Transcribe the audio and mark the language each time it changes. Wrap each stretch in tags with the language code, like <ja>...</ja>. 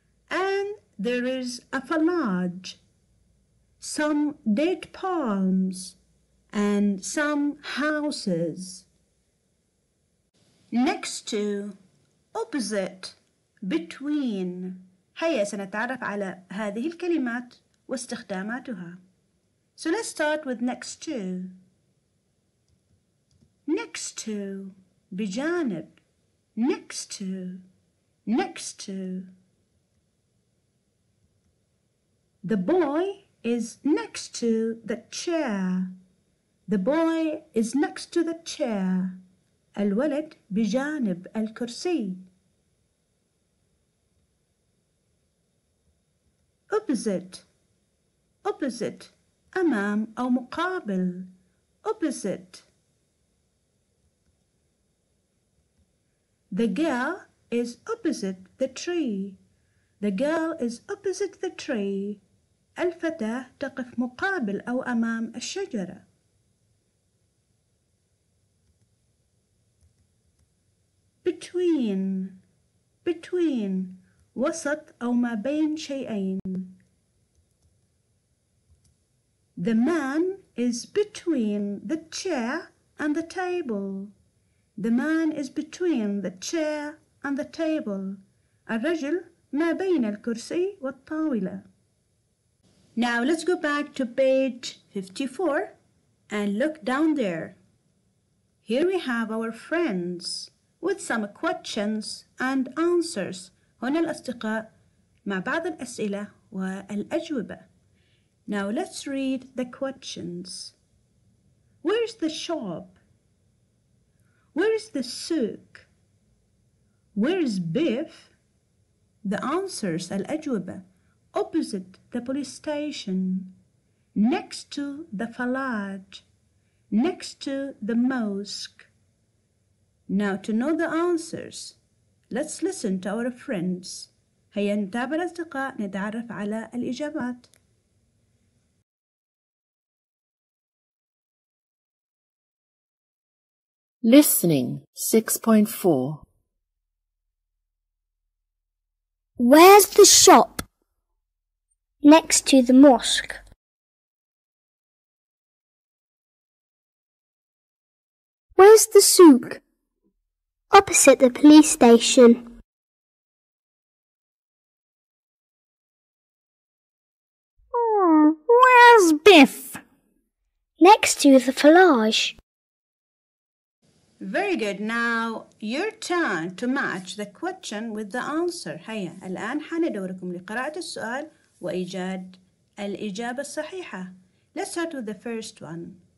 <en>And there is a falage, some date palms, and some houses. Next to, opposite, between.</en> <ar>هيا سنتعرف على هذه الكلمات واستخداماتها.</ar> <en>So let's start with next to. Next to, بجانب. Next to, next to. The boy is next to the chair. The boy is next to the chair.</en> <ar>الولد بجانب الكرسي.</ar> <en>Opposite. Opposite. أمام أو مقابل. Opposite. The girl is opposite the tree. The girl is opposite the tree.</en> <ar>الفتاة تقف مقابل أو أمام الشجرة.</ar> <en>Between, between, وسط أو ما بين شيئين. The man is between the chair and the table. The man is between the chair and the table.</en> <ar>الرجل ما بين الكرسي والطاولة.</ar> <en>Now let's go back to page 54 and look down there. Here we have our friends with some questions and answers.</en> <ar>هنا الأصدقاء مع بعض الأسئلة والأجوبة.</ar> <en>Now let's read the questions. Where's the shop? Where's the souk? Where's beef? The answers, الأجوبة. Opposite the police station, next to the falage, next to the mosque. Now to know the answers, let's listen to our friends.</en> <ar>هيا نتابع الأصدقاء نتعرف على الإجابات.</ar> <en>Listening 6.4. Where's the shop? Next to the mosque. Where's the souk? Opposite the police station. Where's Biff? Next to the falage. Very good. Now, your turn to match the question with the answer.</en> <ar>هيا الآن حان دوركم لقراءة السؤال وإيجاد الإجابة الصحيحة. Let's start with the first one.</ar>